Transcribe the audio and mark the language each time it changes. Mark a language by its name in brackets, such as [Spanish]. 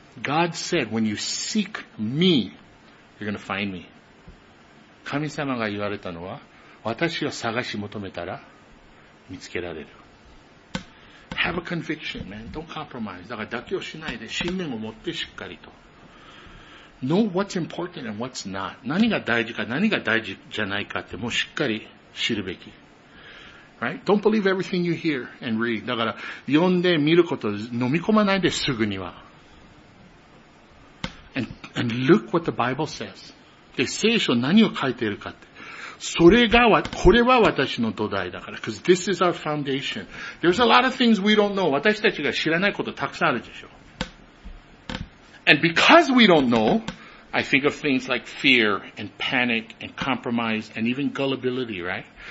[English] God said, when you seek me, you're going to find me. [Japanese] 神様が言われたのは、私を探し求めたら見つけられる。 [English] Have a conviction, man. Don't compromise. [Japanese] だから妥協しないで、信念を持ってしっかりと。 [English] Know what's important and what's not. [Japanese] 何が大事か、何が大事じゃないかって、もうしっかり知るべき。 [English] Right? Don't believe everything you hear and read. [Japanese] だから、読んで見ること、飲み込まないですぐには。 [English] And look what the Bible says. [Japanese] で、聖書何を書いているかって。それが、これは私の土台だから。 [English] Because this is our foundation. There's a lot of things we don't know. [Japanese] 私たちが知らないことたくさんあるでしょ。 [English] And because we don't know, I think of things like fear and panic and compromise and even gullibility, right?